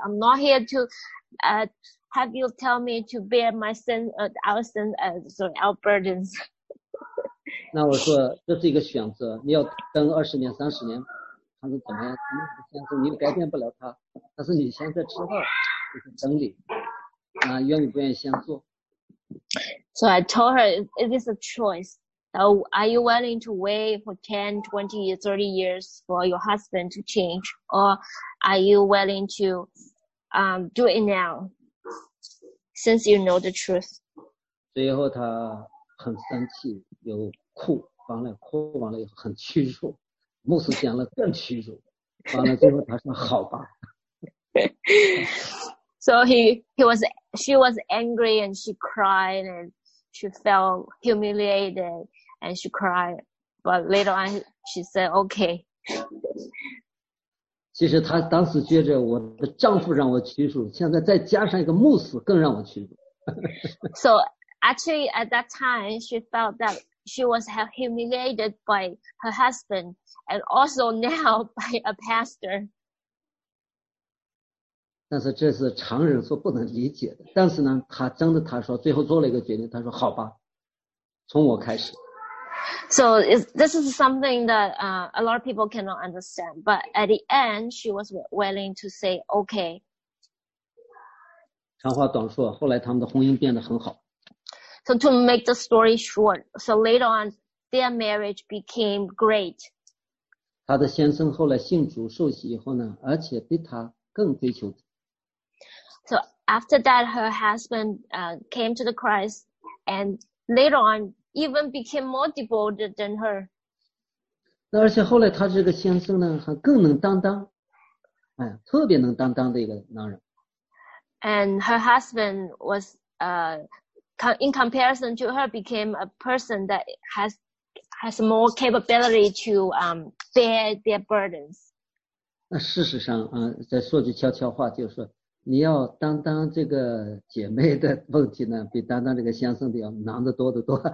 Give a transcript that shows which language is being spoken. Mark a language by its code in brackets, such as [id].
[en] I'm not here to, have you tell me to bear my sin, our burdens. [zh] 那我说这是一个选择，你要等二十年、三十年，还是怎么样？你的先生，你改变不了他，但是你现在吃饭，就是等你，愿不愿意先做？ [en] So I told her, it is a choice. Are you willing to wait for 10, 20, 30 years for your husband to change? Or are you willing to do it now, since you know the truth? [zh] 最后他很生气，又哭，完了哭完了以后很屈辱，牧师讲了更屈辱，完了最后他说好吧。 [en] So she was angry and she cried and she felt humiliated and she cried. But later on, she said okay. [zh] 其实他当时觉着我的丈夫让我屈辱，现在再加上一个牧师更让我屈辱。 [en] So. Actually, at that time, she felt that she was humiliated by her husband and also now by a pastor. [zh] 但是这是常人所不能理解的。但是呢，他真的，他说最后做了一个决定，他说好吧，从我开始。 [en] So this is something that a lot of people cannot understand. But at the end, she was willing to say okay. [zh] 长话短说，后来他们的婚姻变得很好。 [en] So to make the story short, so later on, their marriage became great. [zh] 他的先生后来信主受洗以后呢，而且对他更追求。 [en] So after that, her husband came to the Christ, and later on, even became more devoted than her. [zh] 那而且后来他这个先生呢，还更能担当，哎，特别能担当的一个男人。 [en] And her husband was in comparison to her, became a person that has more capability to bear their burdens. [zh] 那事实上，再说句悄悄话，就是说你要担当这个姐妹的问题呢，比担当这个先生的要难得多得多。